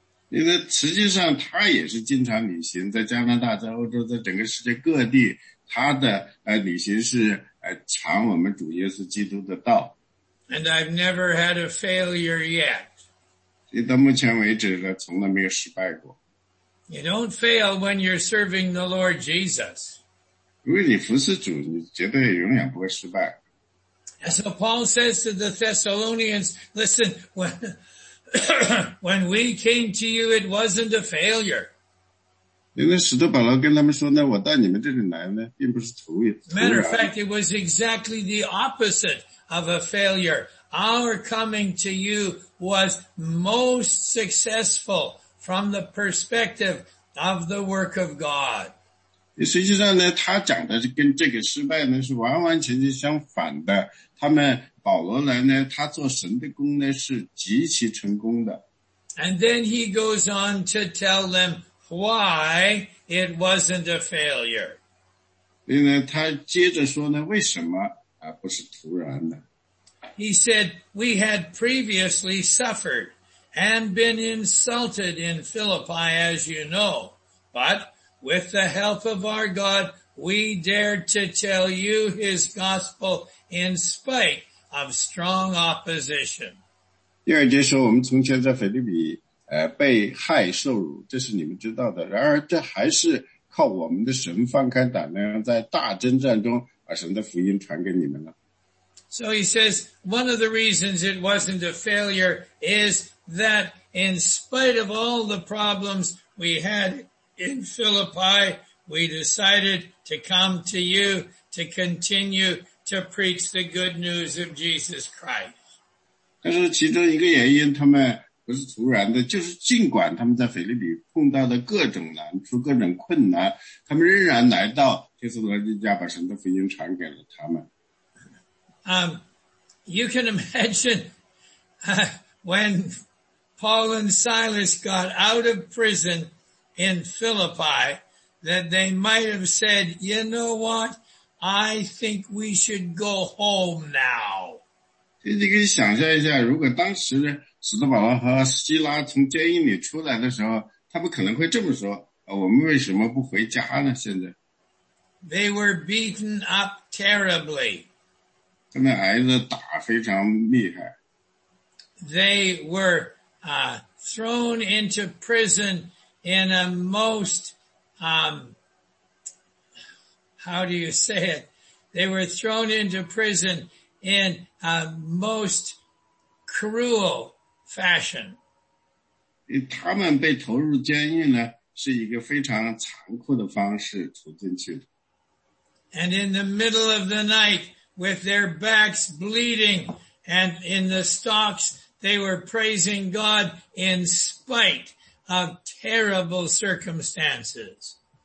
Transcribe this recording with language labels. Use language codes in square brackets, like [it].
[zh] 因为实际上他也是经常旅行，在加拿大，在欧洲，在整个世界各地，他的旅行是传我们主耶稣基督的道。 [en] And I've never had a failure yet. [zh] 到目前为止呢，从来没有失败过。 [en] You don't fail when you're serving the Lord Jesus. [zh] 因为你服侍主，你绝对永远不会失败。 [en] So Paul says to the Thessalonians, listen, when we came to you, it wasn't a failure. [zh] 因为使徒保罗跟他们说呢，我到你们这里来呢，并不是突然。 [en] Matter of fact, it was exactly the opposite. Of a failure. Our coming to you was most successful from the perspective of the work of God. [zh] 实际上呢，他讲的跟这个失败呢是完完全全相反的。他们保罗来呢，他做神的工呢是极其成功的。 [en] And then he goes on to tell them why it wasn't a failure. [zh] 因为他接着说呢，为什么不是突然的。 [en] He said, we had previously suffered and been insulted in Philippi, as you know. But with the help of our God, we dared to tell you his gospel in spite of strong opposition. [zh] 第二节说我们从前在腓立比被害受辱，这是你们知道的。然而这还是靠我们的神放开胆量，在大征战中把神的福音传给你们了。 [en] So he says, one of the reasons it wasn't a failure is that in spite of all the problems we had in Philippi, we decided to come to you to continue to preach the good news of Jesus Christ. [zh] 但是其中一个原因，他们不是突然的，就是尽管他们在腓立比碰到的各种难处、各种困难，他们仍然来到帖撒罗尼迦，把神的福音传给了他们。 [en] You can imagine when Paul and Silas got out of prison in Philippi that they might have said, you know what? I think we should go home now. [zh] 你可以想象一下，如果当时使徒保罗和希拉从监狱里出来的时候，他们可能会这么说，我们为什么不回家呢？现在。 [en] They were beaten up terribly. [zh] 他们挨着打非常厉害。 [en] They were thrown into prison in a most, how do you say it? They were thrown into prison in a most cruel fashion. [zh] 他们被投入监狱呢，是一个非常残酷的方式投进去的。 [en] And in the middle of the night, with their backs bleeding, and in the stocks, they were praising God in spite of terrible circumstances.